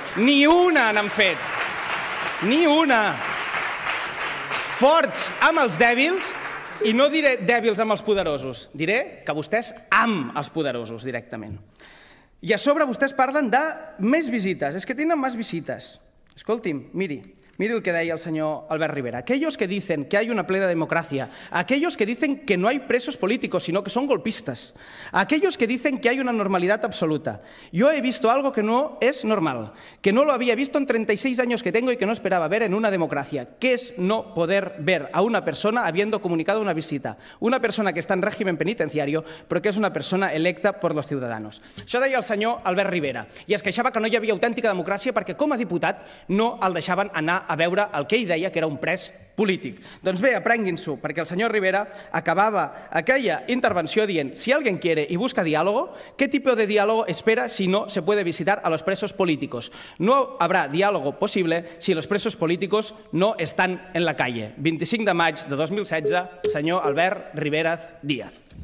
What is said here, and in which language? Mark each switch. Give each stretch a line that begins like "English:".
Catalan: Ni una n'han fet! Ni una! Forts amb els dèbils, i no diré dèbils amb els poderosos, diré que vostès amb els poderosos directament. I a sobre vostès parlen de més visites, és que tenen més visites. Escolti'm, miri.
Spanish: Mire el que decía el señor Albert Rivera. Aquellos que dicen que hay una plena democracia, aquellos que dicen que no hay presos políticos, sino que son golpistas, aquellos que dicen que hay una normalidad absoluta. Yo he visto algo que no es normal, que no lo había visto en 36 años que tengo y que no esperaba ver en una democracia, que es no poder ver a una persona habiendo comunicado una visita, una persona que está en régimen penitenciario, pero que es una persona electa por los ciudadanos. Eso decía el señor Albert Rivera, y
Catalan: es queixava que no hi havia autèntica democràcia perquè com a diputat no el deixaven anar a veure el que ell deia que era un pres polític. Doncs bé, aprenguin-s'ho, perquè el senyor Rivera acabava aquella intervenció dient:
Spanish: si alguien quiere y busca diálogo, ¿qué tipo de diálogo espera si no se puede visitar a los presos políticos? No habrá diálogo posible si los presos políticos no están en la calle.
Catalan: 25 de maig de 2016, senyor Albert Rivera Díaz.